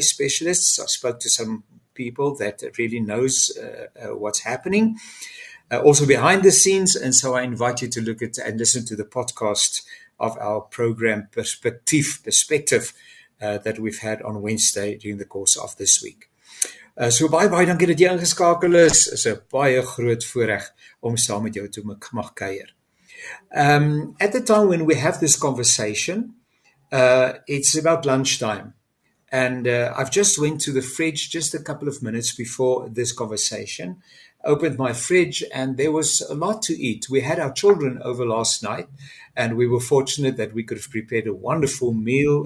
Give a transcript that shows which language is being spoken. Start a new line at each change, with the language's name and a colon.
English: Specialists, I spoke to some people that really knows what's happening. Also behind the scenes, and so I invite you to look at and listen to the podcast of our program Perspective. That we've had on Wednesday during the course of this week.
Afrikaans: So baie baie dankie dat jy ingeskakel is. Is 'n baie groot voorreg om saam met jou te mag kuier.
English: At the time when we have this conversation, it's about lunchtime. And I've just went to the fridge just a couple of minutes before this conversation, opened my fridge, and there was a lot to eat. We had our children over last night, and we were fortunate that we could have prepared a wonderful meal.